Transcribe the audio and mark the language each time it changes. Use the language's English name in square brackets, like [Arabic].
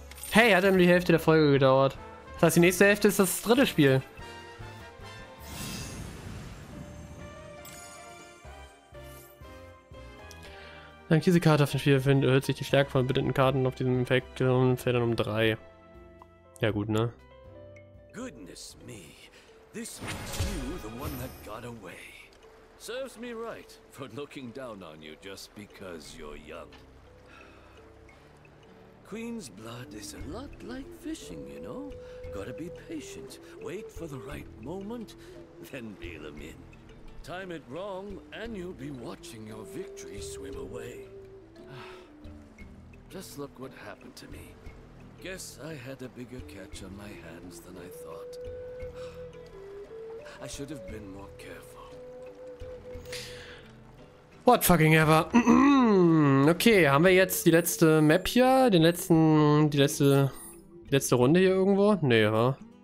[German] Hey, hat ja nur die Hälfte der Folge gedauert. Das heißt, die nächste Hälfte ist das dritte Spiel. Dank dieser Karte auf dem Spiel erhöht sich die Stärke von bedienten Karten auf diesem Effekt und fällt dann um 3. Ja gut, ne? [English] Goodness me. This makes you the one that got away. Serves me right for looking down on you just because you're young. Queen's blood is a lot like fishing, you know? Gotta be patient, wait for the right moment, then bail him in. Time it wrong, and you'll be watching your victory swim away. Just look what happened to me. Guess I had a bigger catch on my hands than I thought. I should have been more careful. What fucking ever. [German] Okay, haben wir jetzt die letzte Map hier? Den letzten, die letzte Runde hier irgendwo? Nee, ja.